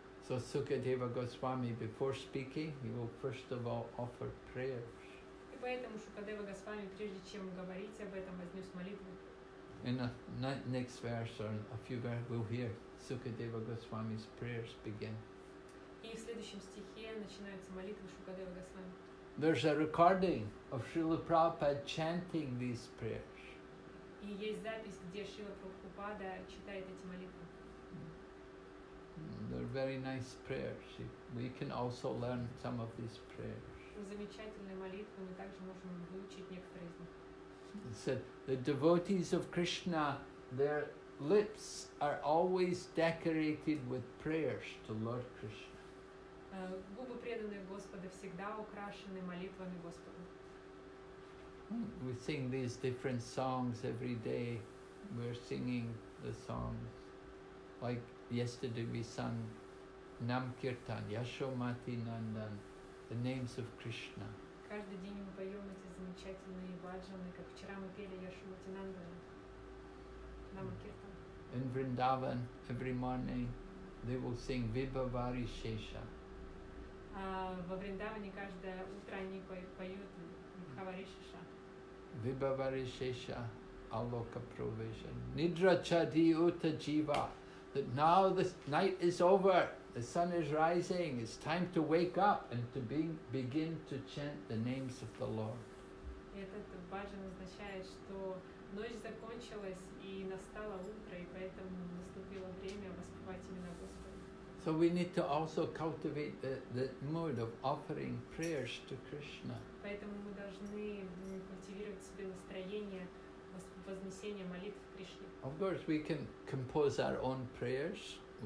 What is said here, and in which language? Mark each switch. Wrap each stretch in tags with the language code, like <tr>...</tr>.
<en>So Sukadeva Goswami, before speaking, he will first of all offer prayers.</en> <ru>И поэтому Шукадева Госвами, прежде чем говорить об этом, вознес молитву.</ru> <en>In the next verse or a few verses, we'll hear Sukadeva Goswami's prayers begin.</en> <ru>И в следующем стихе начинается молитва Шукадева Госвами.</ru> <en>There's a recording of Srila Prabhupada chanting these prayers.</en> <ru>И есть запись, где Шрила Прабхупада читает эти молитвы.</ru> <en>They're very nice prayers. We can also learn some of these prayers.</en> <ru>Замечательные молитвы, мы также можем выучить некоторые из них.</ru> <en>It said, the devotees of Krishna, their lips are always decorated with prayers to Lord Krishna.</en> <ru>Губы преданных Господа всегда украшены молитвами Господу.</ru> <en>We sing these different songs every day. We're singing the songs. Like yesterday we sang Nam Kirtan, Yashomati Nandan, the names of Krishna.</en> <ru>Каждый день мы поем эти замечательные баджаны, как вчера мы пели Яшумати Нандан, Намакиртан.</ru> <en>In Vrindavan, every morning, they will sing Vibhavari Shesha.</en> <ru>Во Вриндаване каждое утро они поют Вибхавари Шеша.</ru> <bn>Vibhavari Shesha, Aloka Provision. Nidra Chadi Uta Jiva.</bn> <en>That now the night is over, the sun is rising, it's time to wake up and to begin to chant the names of the Lord.</en> <ru>Этот баджан означает, что ночь закончилась и настало утро, и поэтому наступило время воспевать имена Господа.</ru> <en>So we need to also cultivate the mood of offering prayers to Krishna.</en> <ru>Поэтому мы должны культивировать в себе настроение вознесения молитв.</ru> <en>Of course, we can compose our own prayers.</en>